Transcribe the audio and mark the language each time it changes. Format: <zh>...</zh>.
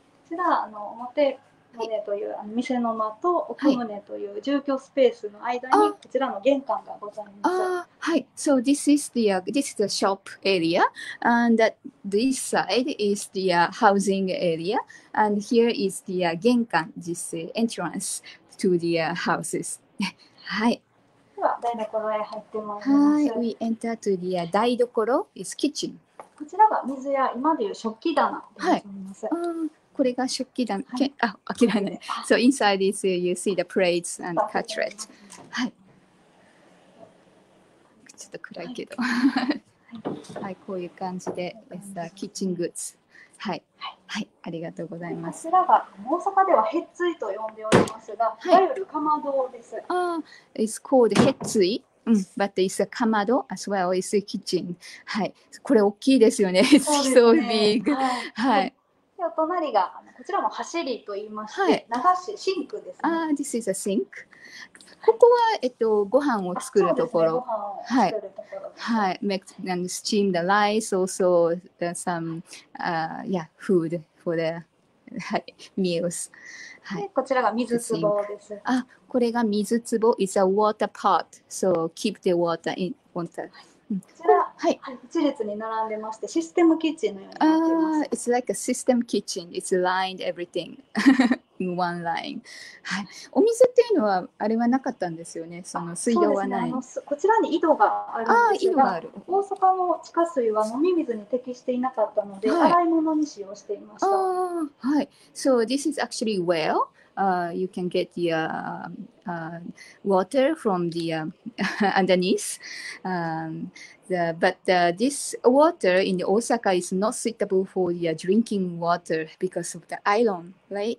<ja>こちら、表棟という店の間と奥棟という住居スペースの間にこちらの玄関がございます。はい。</ja> <en>So this is the, this is the shop area, and that this side is the, housing area, and here is the, 玄関、this, entrance to the, houses.</en> <ja>はい。では台所へ入ってまいります。</ja> <en>はい。We enter to the, 台所 is kitchen.</en> <ja>こちらが水や今でいう食器棚でございます。はい。これが食器棚、はい、あ、開けられない。</ja> <en>So inside is you see the plates and cutlery.</en> <ja>はい。ちょっと暗いけど。はい、はい、こういう感じで、キッチングッズ。はい。はい、ありがとうございます。こちらが大阪ではヘッツイと呼んでおりますが、はい、いわゆるかまどです。</ja> <en>ああ、It's called ヘッツイ。うん、but it's a かまど as well as a kitchen.</en> <ja>はい。これ大きいですよね。そうですね。</ja> <en>So big. はい。</en> <ja>はい、隣がこちらもはしりと言いまして、はい、流しシンクですね。</ja> <en>This is a sink。</en> <ja>ここはご飯を作るところ。そうですね、ご飯を作るところ。はい。</ja> <en>Make and steam the rice, also some food for the meals。</en> <ja>はい。こちらが水壺です。あ、これが水壺。</ja> <en>It's a water pot, so keep the water in water。</en> <ja>こちら、はい、一列に並んでまして、システムキッチンのようになっています。</ja> <en>It's like a system kitchen. It's lined everything in one line. はい。</en> <ja>お水っていうのは、あれはなかったんですよね。その水道はない。そうですね。こちらに井戸があるんですが、井戸がある。大阪の地下水は飲み水に適していなかったので、はい、洗い物に使用していました。</ja> <en>はい。So this is actually well. You can get the water from the underneath. But this water in Osaka is not suitable for the drinking water because of the iron, right?</en>